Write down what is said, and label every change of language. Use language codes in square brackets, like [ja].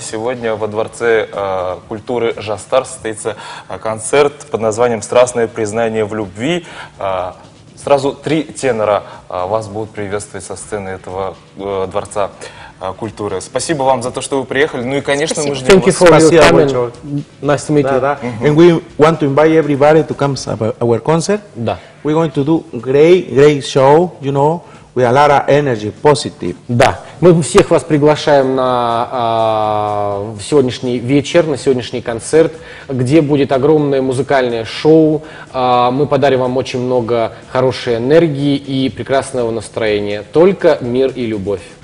[ru] Сегодня во Дворце культуры «Жастар» состоится концерт под названием «Страстное признание в любви». Сразу три тенора вас будут приветствовать со сцены этого Дворца культуры. Спасибо вам за то, что вы приехали. Ну и, конечно, спасибо. Мы ждем вас. Спасибо. Спасибо большое. [en] Nice to meet you. And we want to invite everybody to come to our concert. [ru] Да. [en] We're going to do great, great show, you know, with a lot of energy, positive. [ru] Да. Мы всех вас приглашаем на сегодняшний вечер, на сегодняшний концерт, где будет огромное музыкальное шоу. Мы подарим вам очень много хорошей энергии и прекрасного настроения. Только мир и любовь.